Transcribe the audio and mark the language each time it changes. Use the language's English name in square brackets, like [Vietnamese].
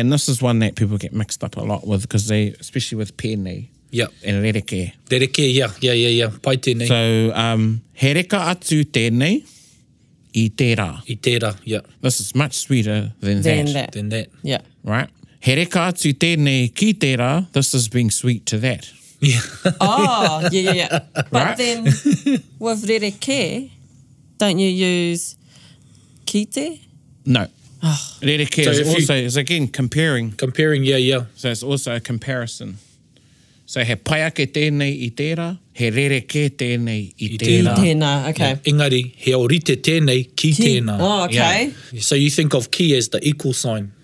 [English] And this is one that people get mixed up a lot with, because they, especially with pēnei. Yep. And rereke. [Māori] Rereke, yeah. Pai tēnei. So, he reka atu tēnei I tērā. I tērā, yeah. [English] This is much sweeter than that. Yeah. Right? [Māori] He reka atu tēnei ki tērā, [English] this is being sweet to that. Yeah. Oh, yeah. But right? then with rereke, don't you use ki te? No. Oh. Rereke so is also, you, is again, comparing. Comparing, yeah, yeah. So it's also a comparison. [Māori] So he pai ake tēnei I tērā, he rereke tēnei I tērā. I tēnā, okay. Yeah. Engari, he orite tēnei ki tēnā. [English] Oh, okay. Yeah. So you think of ki as the equal sign.